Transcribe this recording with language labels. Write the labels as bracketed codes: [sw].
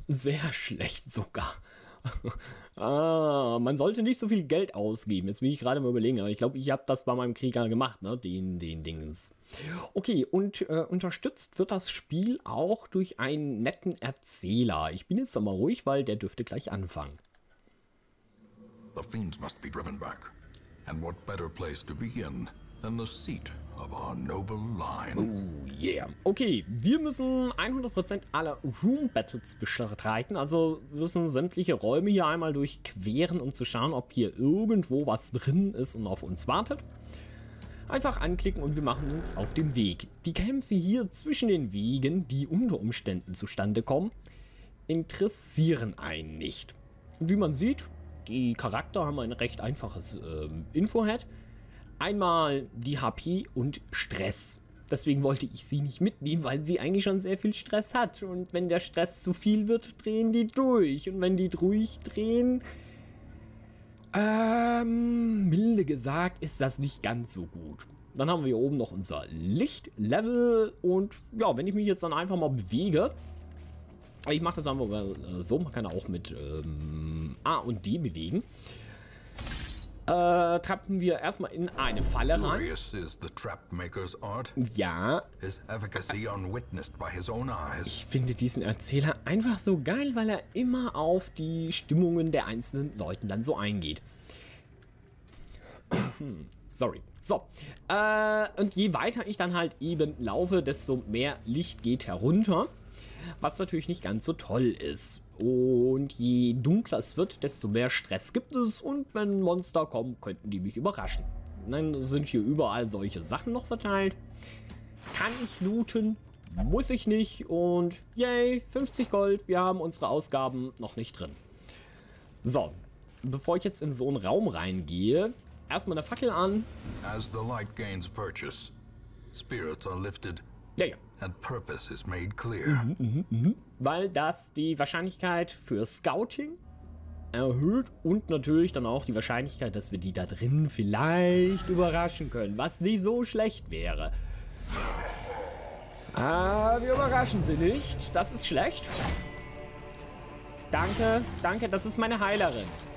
[de] Sehr schlecht sogar. man sollte nicht so viel Geld ausgeben. Jetzt will ich gerade mal überlegen. Aber ich glaube, ich habe das bei meinem Krieger gemacht, ne? Den Dings. Okay, und unterstützt wird das Spiel auch durch einen netten Erzähler. Ich bin jetzt nochmal ruhig, weil der dürfte gleich anfangen. [en] The fiends must be driven back. And what better place to begin than the seat of our noble line? Oh yeah. [de] Okay, wir müssen 100% aller Room Battles bestreiten. Also müssen sämtliche Räume hier einmal durchqueren, um zu schauen, ob hier irgendwo was drin ist und auf uns wartet. Einfach anklicken und wir machen uns auf den Weg. Die Kämpfe hier zwischen den Wegen, die unter Umständen zustande kommen, interessieren einen nicht. Und wie man sieht, die Charakter haben ein recht einfaches Info-Head. Einmal die HP und Stress. Deswegen wollte ich sie nicht mitnehmen, weil sie eigentlich schon sehr viel Stress hat. Und wenn der Stress zu viel wird, drehen die durch. Und wenn die durchdrehen... milde gesagt, ist das nicht ganz so gut. Dann haben wir hier oben noch unser Lichtlevel. Und ja, wenn ich mich jetzt dann einfach mal bewege... Ich mache das einfach mal so. Man kann auch mit A und D bewegen. Trappen wir erstmal in eine Falle rein. [en] Is the trapmaker's art. [de] Ja. [en] His efficacy unwitnessed by his own eyes. [de] Ich finde diesen Erzähler einfach so geil, weil er immer auf die Stimmungen der einzelnen Leuten dann so eingeht. Sorry. So. Und je weiter ich dann halt eben laufe, desto mehr Licht geht herunter. Was natürlich nicht ganz so toll ist. Und je dunkler es wird, desto mehr Stress gibt es. Und wenn Monster kommen, könnten die mich überraschen. Dann sind hier überall solche Sachen noch verteilt. Kann ich looten? Muss ich nicht. Und yay, 50 Gold. Wir haben unsere Ausgaben noch nicht drin. So, bevor ich jetzt in so einen Raum reingehe, erstmal eine Fackel an. [en] As the light gains purchase, spirits are lifted. [de] Ja, ja. [en] And purpose is made clear. [de] Weil das die Wahrscheinlichkeit für Scouting erhöht und natürlich dann auch die Wahrscheinlichkeit, dass wir die da drin vielleicht überraschen können, was nicht so schlecht wäre. Wir überraschen sie nicht. Das ist schlecht. Danke, danke. Das ist meine Heilerin.